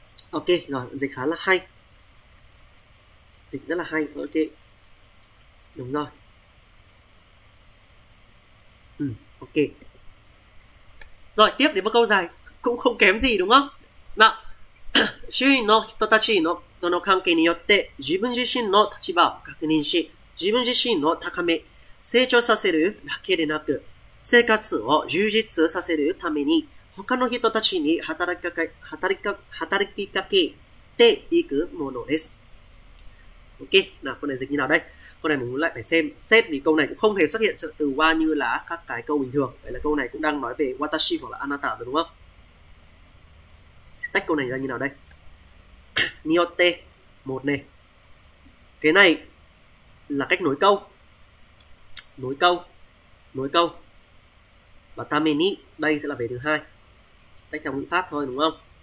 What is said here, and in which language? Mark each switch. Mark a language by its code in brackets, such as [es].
[vi] Ok, rồi dịch khá là hay, dịch rất là hay. Ok, đúng rồi. Ok, rồi tiếp đến một câu dài cũng không kém gì đúng không? [ja] Nào, 周囲の人たちのとの関係によって自分自身の立場を確認し、自分自身を高め、成長させるだけでなく、生活を充実させるために、他の人たちに働きかけていくものです。 [vi] Ok, nào, con này dịch như nào đây? Con này mình lại phải xem xét vì câu này cũng không hề xuất hiện từ wa như là các cái câu bình thường. Vậy là câu này cũng đang nói về watashi hoặc là anata rồi đúng không? Tách câu này ra như nào đây? Niote một này, cái này là cách nối câu, nối câu và tameni đây sẽ là về thứ hai, tách theo ngữ pháp thôi đúng không?